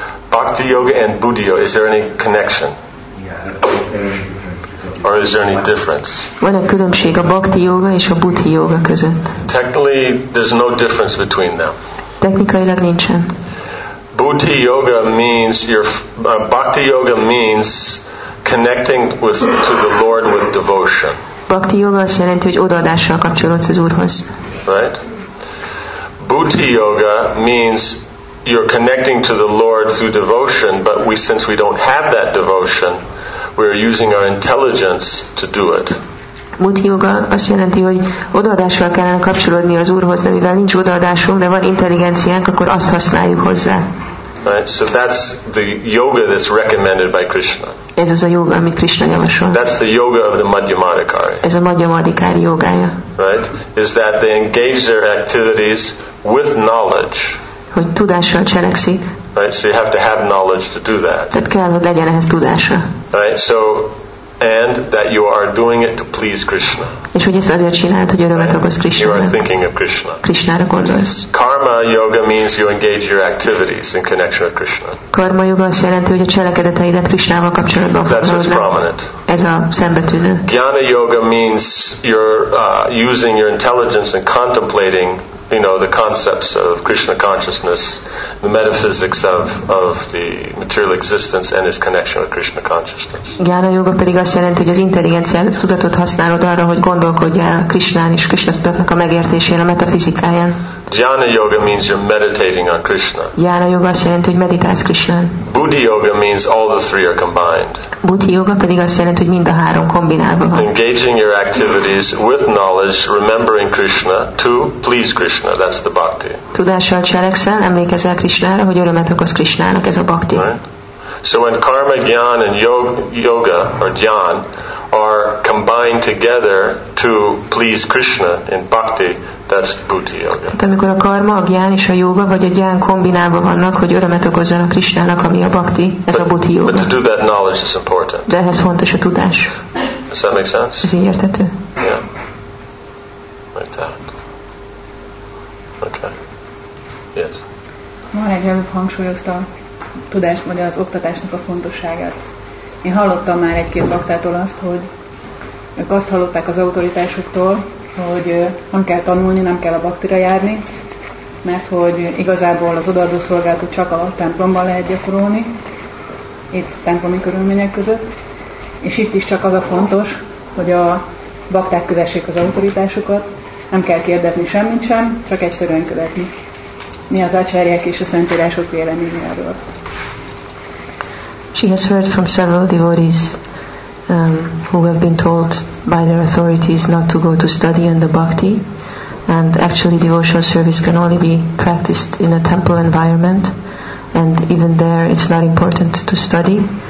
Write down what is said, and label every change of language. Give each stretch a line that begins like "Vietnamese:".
English: Bhakti yoga and buddhi yoga, is there any connection? Yeah, or is there any difference?
Hungarian: Van-e különbség a bhakti yoga és a buddhi yoga között?
English: Technically, there's no difference between them.
Hungarian: Technikailag nincsen.
English: Buddhi yoga means bhakti yoga means connecting to the Lord with devotion.
Hungarian: Bhakti yoga azt jelenti, hogy odaadással kapcsolódsz az Úrhoz.
English: Right? Bhuti yoga means you're connecting to the Lord through devotion, but since we don't have that devotion, we're using our intelligence to do it.
Hungarian: Bhuti yoga azt jelenti, hogy odaadással kellene kapcsolódni az Úrhoz, de mivel nincs odaadásunk, de van intelligenciánk, akkor azt használjuk hozzá.
English: Right? So that's the yoga that's recommended by Krishna.
Hungarian: Ez az a yoga, amit Krishna javasol.
English: That's the yoga of the Madhyamadikari.
Hungarian: Ez a Madhyamadikari yogája.
English: Right? Is that they engage their activities with knowledge.
Hungarian: Hogy tudással cselekszik.
English: Right? So you have to have knowledge to do that.
Hungarian: Tehát kell, hogy legyen ehhez tudása.
English: Right? So, and that you are doing it to please Krishna.
Hungarian: És hogy ezt azért csinálod, hogy örömet okoz Krishna.
English: You are thinking of Krishna.
Hungarian: Krishnára gondolsz.
English: Karma yoga means you engage your activities in connection with Krishna.
Hungarian: Karma yoga azt jelenti, hogy a cselekedeteidet Krishnával kapcsolatban használod.
English: That's what's prominent.
Hungarian: Ez a szembetűnő.
English: Jnana yoga means you're using your intelligence and contemplating, you know, the concepts of Krishna consciousness, the metaphysics of the material existence and its connection with Krishna consciousness.
Hungarian: Jnana yoga pedig azt jelenti, hogy az intelligenciát, tudatot használod arra, hogy gondolkodjál Krishnán és Krishna tudatnak a megértésén, a metafizikáján.
English: Jnana yoga means you're meditating on Krishna.
Hungarian: Jnana yoga azt jelenti, hogy meditálsz Krishnán.
English: Buddhi yoga means all the three are combined.
Hungarian: Buddhi yoga pedig azt jelenti, hogy mind a három kombinálva van.
English: Engaging your activities with knowledge, remembering Krishna to please Krishna, that's the bhakti.
Hungarian: Tudással cselekszel, emlékezel Krishnára, hogy örömet okoz Krishnának, ez a bhakti.
English: Right? So when karma, jnana and yoga or jnana are combined together to please Krishna in bhakti, that's bhuti yoga.
Hungarian: Tehát amikor a karma, a gyán és a yoga, vagy a gyán kombinálva vannak, hogy örömet okozzanak Krishnának, ami a bhakti, ez a bhuti yoga.
English: But to do that knowledge is important.
Hungarian: De ehhez fontos a tudás.
English: Does that make sense?
Hungarian: Ez így értető?
English: Yeah. Like that. Okay. Yes.
Hungarian: Marek előbb hangsúlyozta a tudás, vagy az oktatásnak a fontosságát. Én hallottam már egy-két baktától azt, hogy ők azt hallották az autoritásuktól, hogy nem kell tanulni, nem kell a baktira járni, mert hogy igazából az odaadó szolgálatot csak a templomban lehet gyakorolni, itt templomi körülmények között, és itt is csak az a fontos, hogy a bakták kövessék az autoritásukat, nem kell kérdezni semmit sem, csak egyszerűen követni. Mi az acsárják és a szentírások véleménye erről?
English: She has heard from several devotees who have been told by their authorities not to go to study in the bhakti, and actually devotional service can only be practiced in a temple environment, and even there it's not important to study.